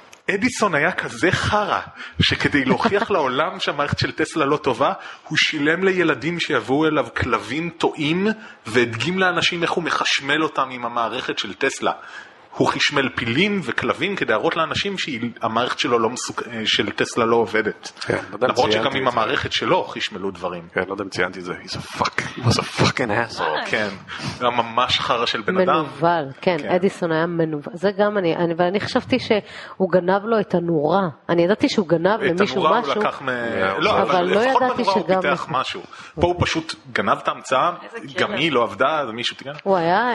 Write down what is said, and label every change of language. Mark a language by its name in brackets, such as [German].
[Hebrew] אדיסון היה כזה חרה, שכדי להוכיח לעולם שהמערכת של טסלה לא טובה, הוא שילם לילדים שיבואו אליו כלבים טועים, והדגים לאנשים איך הוא מחשמל אותם עם המערכת של טסלה. הוא חשמל פילים וכלבים כדי להראות לאנשים שהמערכת שלו לא של טסלה לא עובדת. למרות שגם עם המערכת שלו חשמלו דברים. כן, לא יודע אם ציינתי את זה. [English] He's a fucking, he was a fucking asshole. [Hebrew] כן, היה ממש חרה של בן אדם. מנובל, כן, אדיסון היה מנובל. זה גם אני, אבל אני חשבתי שהוא גנב לו את הנורה. אני ידעתי שהוא גנב למישהו משהו. את הנורה הוא לקח מ... לא, אבל לא ידעתי שגם... לפחות בנורה הוא פיתח משהו. פה הוא פשוט גנב את ההמצאה, גם היא לא עבדה, אז מישהו תגנב. הוא היה...